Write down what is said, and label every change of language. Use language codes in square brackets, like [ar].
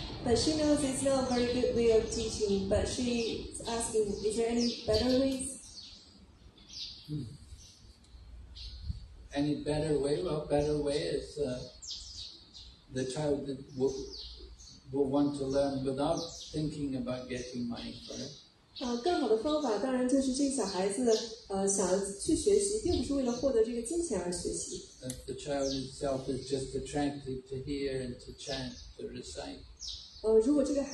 [en] But she knows it's not a very good way of teaching, but she's asking, is there any better ways? Any better way? Well, better way is the child will want to learn without thinking about getting money for it. [zh] 更好的方法当然就是这小孩子想去学习，并不是为了获得这个金钱而学习。 [en] If the child itself is just attracted to hear and to chant, to recite.